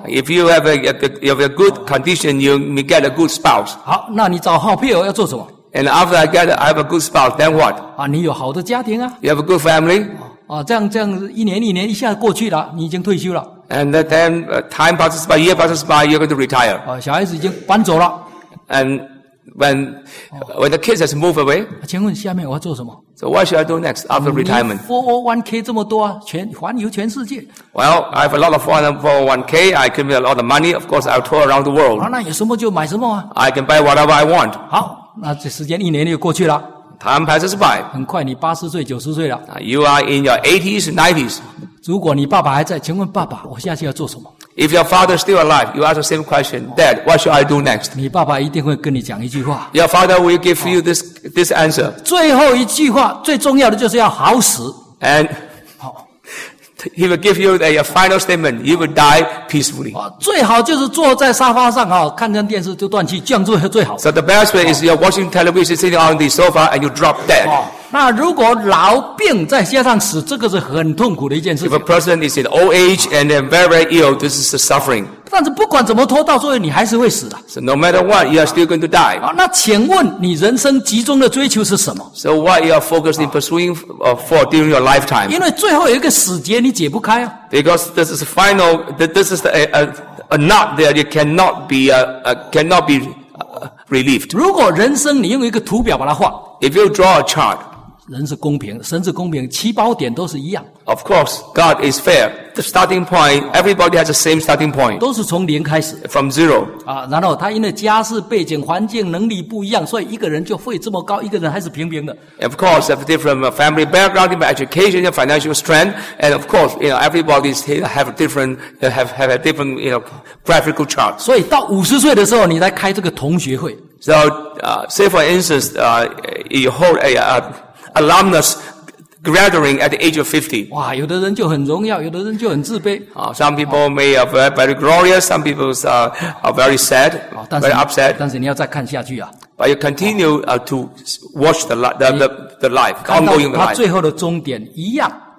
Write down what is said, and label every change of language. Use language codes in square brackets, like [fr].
[en] If you have a good condition, you may get a good spouse. [zh] 好，那你找好配偶要做什么？ [en] And after I have a good spouse, then what? [zh] 你有好的家庭啊。 [en] You have a good family. [zh] 这样一年一年一下过去了，你已经退休了。 [en] And then time passes by, year passes by, you're going to retire. [zh] 小孩子已经搬走了。 [en] And When the kids has moved away, [zh] 请问下面我要做什么？ [en] So what should I do next after retirement? [zh] 401k 这么多啊，环游全世界。 [en] Well, I have a lot of 401k. I accumulate a lot of money. Of course, I'll tour around the world. [zh] 那有什么就买什么啊。 [en] I can buy whatever I want. [zh] 好，那这时间一年就过去了。 [en] Time passes by. [zh] 很快你80岁、90岁了。 [en] You are in your 80s, 90s. [zh] 如果你爸爸还在，请问爸爸，我下去要做什么？ [en] If your father is still alive, you ask the same question, Dad, what should I do next? [zh] 你爸爸一定会跟你讲一句话。 [en] Your father will give you this answer. [zh] 最后一句话，最重要的就是要好死。 [en] And he will give you a final statement, you will die peacefully. [zh] 最好就是坐在沙发上看看电视就断气，这样做最好。 [en] So the best way is you're watching television, sitting on the sofa, and you drop dead. [zh] 那如果老病再加上死，这个是很痛苦的一件事情。 [en] If a person is in old age and then very, very ill, this is a suffering. [zh] 但但是不管怎么拖，到最后你还是会死的。 [en] So no matter what, you are still going to die. [zh] 那请问你人生集中的追求是什么 [en] ？So what you are focused in pursuing for during your lifetime? [zh] 因为最后有一个死结你解不开啊。 [en] Because this is final, this is a knot that you cannot be cannot be relieved. [zh] 如果人生你用一个图表把它画 [en] ，If you draw a chart. [zh] 人是公平，神是公平，起跑点都是一样。 [en] Of course, God is fair. The starting point, everybody has the same starting point. [zh] 都是从零开始。 [en] From zero. [zh] 啊，然后他因为家世、背景、环境、能力不一样，所以一个人就会这么高，一个人还是平平的。 [en] Of course, have different family background, different education, financial strength, and of course, you know, everybody have different have a different you know graphical chart. [zh] 所以到五十岁的时候，你在开这个同学会。 [en] So, say for instance, you hold a alumnus gathering at the age of 50. [zh] 哇，有的人就很荣耀，有的人就很自卑。 [en] Some people may are very, very glorious, some people are very sad, very upset. [zh] 但是你要再看下去啊。 [en] But you continue to watch the life, ongoing life. [zh] 看到他最后的终点一样。